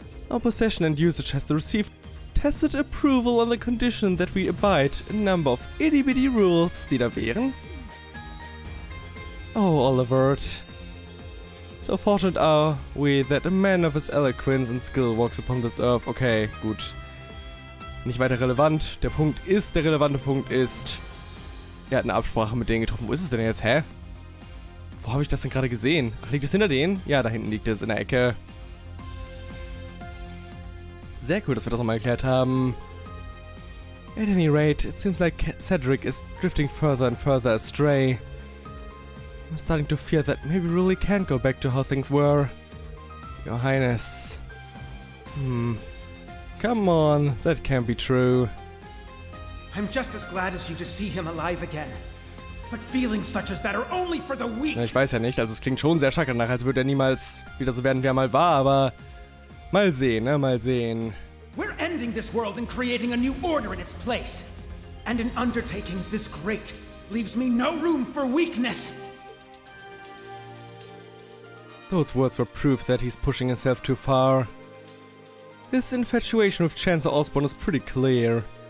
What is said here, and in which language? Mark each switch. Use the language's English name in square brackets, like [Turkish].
[English] Our possession and usage has received tacit approval on the condition that we abide a number of itty bitty rules, [German] die da wären. [English] Oh, Oliver. So fortunate are we that a man of his eloquence and skill walks upon this earth. [German] Okay, gut. Nicht weiter relevant. Der relevante Punkt ist, er hat eine Absprache mit denen getroffen. Wo ist es denn jetzt? Hä? Wo habe ich das denn gerade gesehen? Ach, liegt es hinter denen? Ja, da hinten liegt es in der Ecke. Sehr cool, dass wir das nochmal erklärt haben. [English] At any rate, it seems like Cedric is drifting further and further astray. I'm starting to fear that maybe we really can't go back to how things were. Your Highness. Come on, that can't be true. I'm just as glad as you to see him alive again. But feelings such as that are only for the weak. [German] Ja, ich weiß ja nicht, also es klingt schon sehr stark danach, als würde er niemals wieder so werden, wie er mal war, aber mal sehen, ne, mal sehen. [English] We're ending this world and creating a new order in its place. And an undertaking this great leaves me no room for weakness. Those words were proof that he's pushing himself too far. His infatuation with Chancellor Osborne is pretty clear.